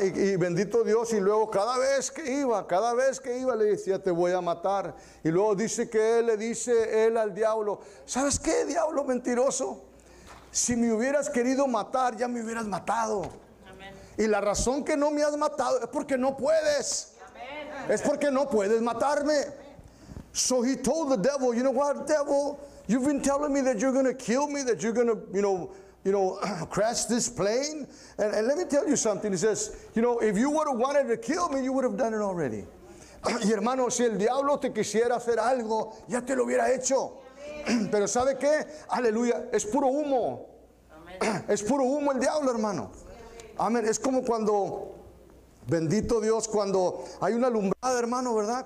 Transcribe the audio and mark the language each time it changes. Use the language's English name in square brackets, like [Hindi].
[Spanish] Y bendito Dios, y luego cada vez que iba le decía, te voy a matar. Y luego dice que él le dice al diablo, ¿sabes qué, diablo mentiroso? Si me hubieras querido matar, ya me hubieras matado. Amén. Y la razón que no me has matado es porque no puedes. Amén. Es porque no puedes matarme. [English] So he told the devil, you know what, devil? You've been telling me that you're going to kill me, that you're going to, you know, crash this plane. And let me tell you something. He says, you know, if you would have wanted to kill me, you would have done it already. [Spanish] Y hermano, si el diablo te quisiera hacer algo, ya te lo hubiera hecho. Pero ¿sabe qué? Aleluya, es puro humo. Es puro humo el diablo, hermano. Amén. Es como cuando, bendito Dios, cuando hay una alumbrada, hermano, ¿verdad?